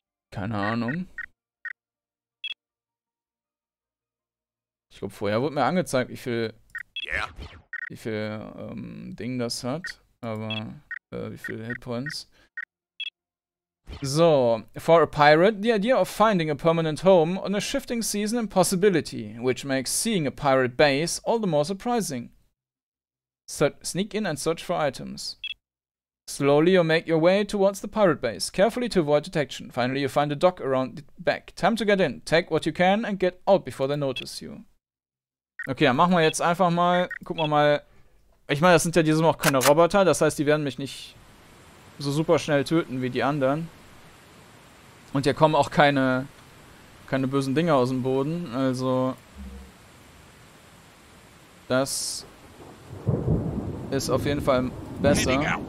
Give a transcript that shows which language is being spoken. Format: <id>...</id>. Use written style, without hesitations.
<de>Keine Ahnung. Ich glaube, vorher wurde mir angezeigt, wie viel Ding das hat. Aber wie viel Hitpoints. So.</de> <en>For a pirate, the idea of finding a permanent home on a shifting season impossibility, which makes seeing a pirate base all the more surprising. Sneak in and search for items. Slowly you make your way towards the pirate base, carefully to avoid detection. Finally you find a dock around the back. Time to get in. Take what you can and get out before they notice you.</en> <de>Okay, dann machen wir jetzt einfach mal. Gucken wir mal. Ich meine, das sind ja diesmal auch keine Roboter, das heißt, die werden mich nicht so super schnell töten wie die anderen. Und hier kommen auch keine bösen Dinger aus dem Boden. Also, das ist auf jeden Fall besser.</de>